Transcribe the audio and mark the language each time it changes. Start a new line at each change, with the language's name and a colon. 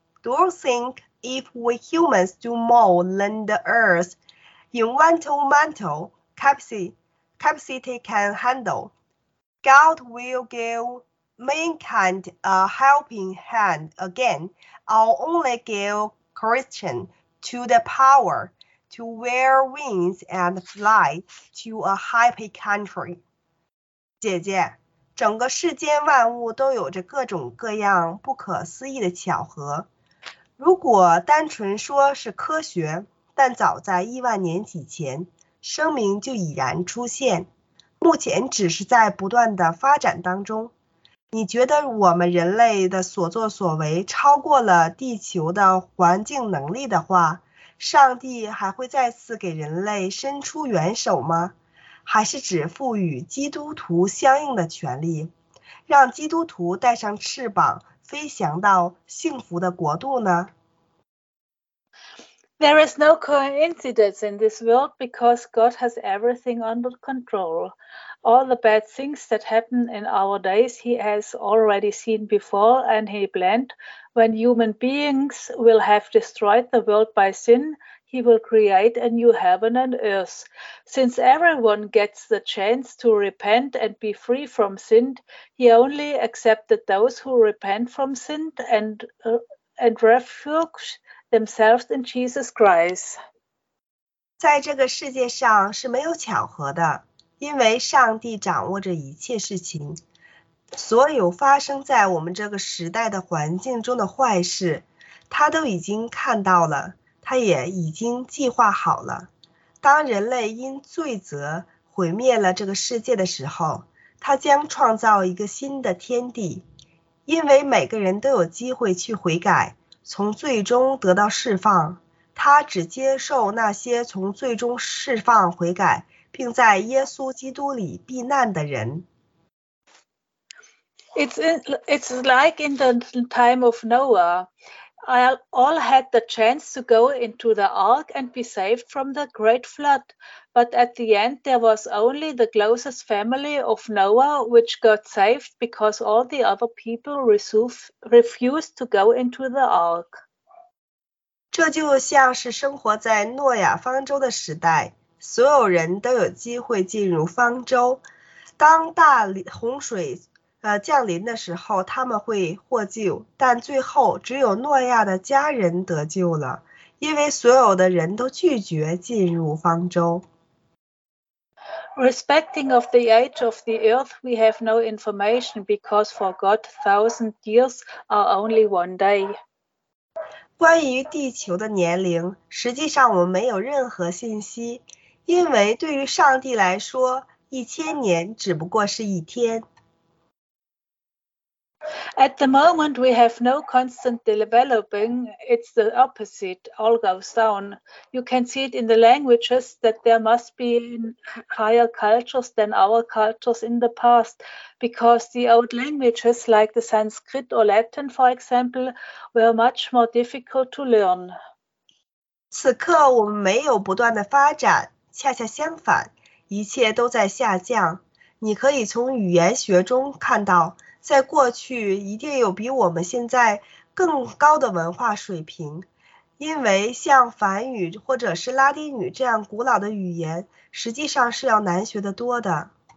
English: Do you think if we humans do more than the Earth, environmental capacity can handle, God will give mankind a helping hand again? I'll only give Christian to the power to wear wings and fly to a happy country.
Chinese: 姐姐，整个世间万物都有着各种各样不可思议的巧合。如果单纯说是科学，但早在亿万年以前，生命就已然出现，目前只是在不断的发展当中。你觉得我们人类的所作所为超过了地球的环境能力的话，上帝还会再次给人类伸出援手吗？还是只赋予基督徒相应的权利，让基督徒带上翅膀飞翔到幸福的国度呢？
English: There is no coincidence in this world because God has everything under control. All the bad things that happen in our days, He has already seen before and He planned. When human beings will have destroyed the world by sin, He will create a new heaven and earth. Since everyone gets the chance to repent and be free from sin, He only accepted those who repent from sin and refuge. themselves in Jesus Christ.
Chinese: 在这个世界上是没有巧合的，因为上帝掌握着一切事情。所有发生在我们这个时代的环境中的坏事，他都已经看到了，他也已经计划好了。当人类因罪责毁灭了这个世界的时候，他将创造一个新的天地，因为每个人都有机会去悔改。从最终得到释放，他只接受那些从最终释放悔改并在耶稣基督里避难的人。
English: It's like in the time of Noah. all had the chance to go into the ark and be saved from the great flood. But at the end, there was only the closest family of Noah which got saved because all the other people refused to go into the ark.
Chinese: 这就像是生活在诺亚方舟的时代，所有人都有机会进入方舟。当大洪水降临的时候，他们会获救，但最后只有诺亚的家人得救了，因为所有的人都拒绝进入方舟。
English: Respecting of the age of the earth, we have no information because for God, 1,000 years are only one day.
Chinese: 关于地球的年龄，实际上我们没有任何信息，因为对于上帝来说，一千年只不过是一天。
English: At the moment, we have no constant developing. It's the opposite. All goes down. You can see it in the languages that there must be higher cultures than our cultures in the past, because the old languages, like the Sanskrit or Latin, for example, were much more difficult to learn.
Chinese: 此刻我们没有不断的发展，恰恰相反，一切都在下降。你可以从语言学中看到。在过去一定有比我们现在更高的文化水平，因为像梵语或者是拉丁语这样古老的语言实际上是要难学得多的。